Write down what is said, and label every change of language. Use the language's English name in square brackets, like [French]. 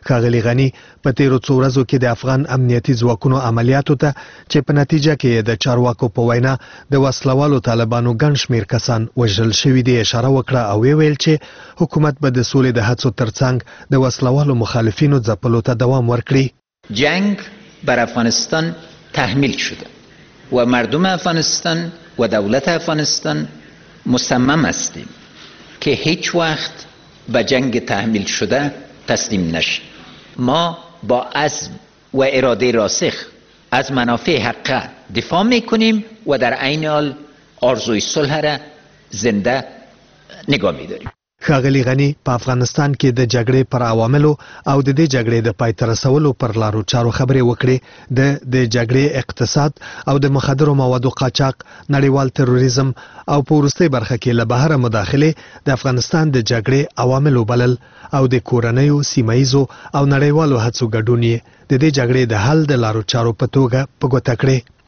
[Pashto] ښاغلی غنی په تیرو څو ورځو کې د افغان امنیتي ځواکونو عملیاتو ته چې په نتیجه کې د چارواکو په وینا د وسلوالو طالبانو ګڼ شمېر کسان وژل شوي دي اشاره وکړه او ویل چې حکومت به د سولې د هڅو ترڅنګ د وسلوالو مخالفینو ځپلو ته دوام ورکړي. [Persian] جنگ بر افغانستان تحمیل شده و مردم افغانستان و دولت افغانستان مصمم هستیم که هیچ وقت به جنگ تحمیل شده تسلیم نشیم. ما با عزم و اراده راسخ از منافع حق دفاع میکنیم و در عین حال آرزوی صلح را زنده نگاه میداریم. [Pashto] ښاغلی غنی په افغانستان کې د جګړې پر عواملو او د دې جګړې د پای ته رسولو پر لارو چارو خبرې وکړې. د جګړې اقتصاد او د مخدرو موادو قاچاق، نړیوال تروریزم او په وروستۍ برخه کې له بهره مداخله د افغانستان د جګړې عواملو بلل او د کورنیو، سیمه ایزو او نړیوالو هڅو ګډون یې د دې جګړې د حل د لارو چارو په توګه په ګوته کړې.